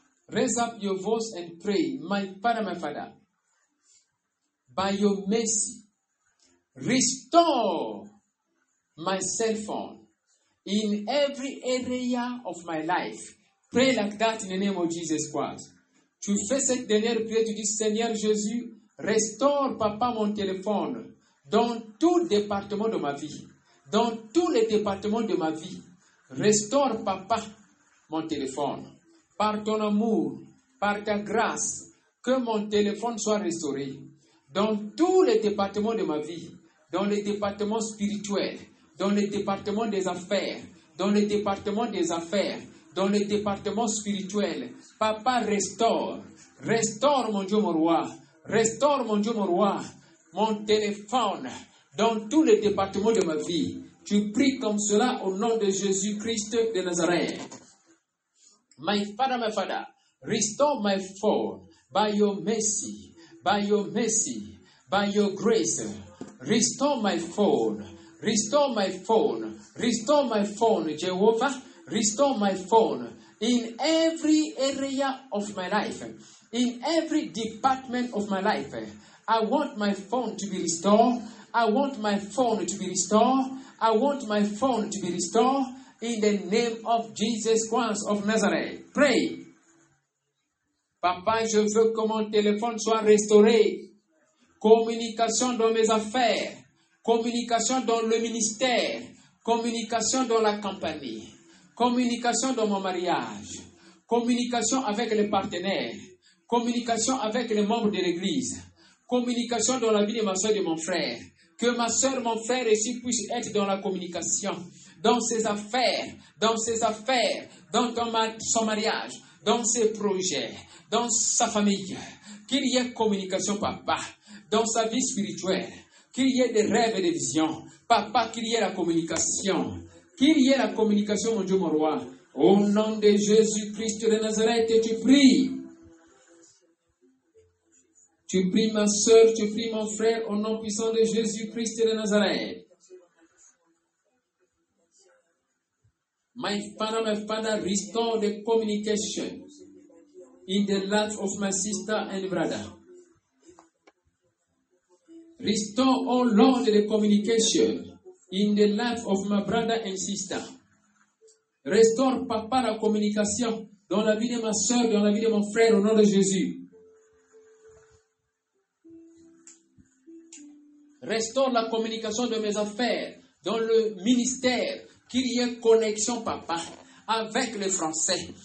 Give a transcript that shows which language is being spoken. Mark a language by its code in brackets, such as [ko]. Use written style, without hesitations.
[en] Raise up your voice and pray, my Father, by your mercy, restore my cell phone in every area of my life. Pray like that in the name of Jesus Christ. [fr] Tu fais cette dernière prière, tu dis, Seigneur Jésus, restaure, Papa, mon téléphone dans tout département de ma vie, dans tous les départements de ma vie. Restaure, Papa, mon téléphone. Par ton amour, par ta grâce, que mon téléphone soit restauré dans tous les départements de ma vie, dans les départements spirituels, dans les départements des affaires, dans les départements des affaires, dans les départements spirituels. Papa, restaure, restaure mon Dieu, mon roi, restaure mon Dieu, mon roi, mon téléphone dans tous les départements de ma vie. Tu pries comme cela au nom de Jésus-Christ de Nazareth. [en] My Father, restore my phone by your mercy, by your grace. Restore my phone, Jehovah. Restore my phone in every area of my life, in every department of my life. I want my phone to be restored. I want my phone to be restored. I want my phone to be restored. in the name of Jesus Christ of Nazareth. Pray. [fr] Papa, je veux que mon téléphone soit restauré. Communication dans mes affaires. Communication dans le ministère. Communication dans la compagnie. Communication dans mon mariage. Communication avec les partenaires. Communication avec les membres de l'église. Communication dans la vie de ma soeur et de mon frère. Que ma soeur, mon frère ici puisse être dans la communication. Dans ses affaires. Dans ses affaires. Dans son mariage. Dans ses projets. Dans sa famille. Qu'il y ait communication, papa. Dans sa vie spirituelle. Qu'il y ait des rêves et des visions. Papa, qu'il y ait la communication. Qu'il y ait la communication, mon Dieu, mon roi. Au nom de Jésus-Christ de Nazareth, tu pries. Tu pries ma soeur, tu pries mon frère, au nom puissant de Jésus-Christ de Nazareth. [en] My father, restore the communication in the life of my sister and brother. Restore, oh Lord, the communication in the life of my brother and sister. Restore, [fr] papa, la communication dans la vie de ma soeur, dans la vie de mon frère, au nom de Jésus. Restaure la communication de mes affaires dans le ministère. Qu'il y ait connexion, papa, avec les Français.